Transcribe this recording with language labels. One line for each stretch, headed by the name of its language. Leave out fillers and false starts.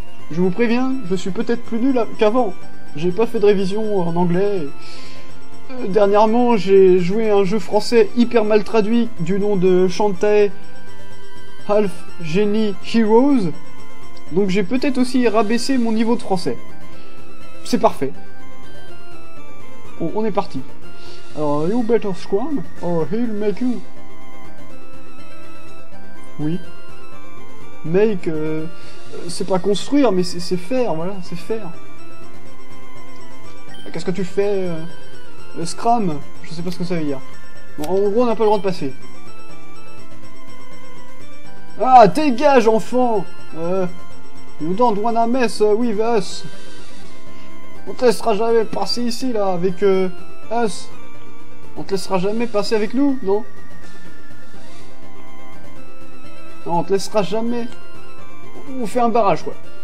French: Je vous préviens, je suis peut-être plus nul qu'avant. J'ai pas fait de révision en anglais. Dernièrement, j'ai joué un jeu français hyper mal traduit du nom de Shantae Half Genie Heroes. Donc j'ai peut-être aussi rabaissé mon niveau de français. C'est parfait. Bon, on est parti.
English: Alors, you better scram, or he'll make you.
French: Oui. Make, c'est pas construire, mais c'est faire, voilà, c'est faire. Qu'est-ce que tu fais, scram? Je sais pas ce que ça veut dire. Bon, en gros, on n'a pas le droit de passer. Ah, dégage, enfant!
English: You don't wanna mess with us.
French: On te laissera jamais passer ici, là, avec us. On te laissera jamais passer avec nous, non? Non, on te laissera jamais. On fait un barrage, quoi.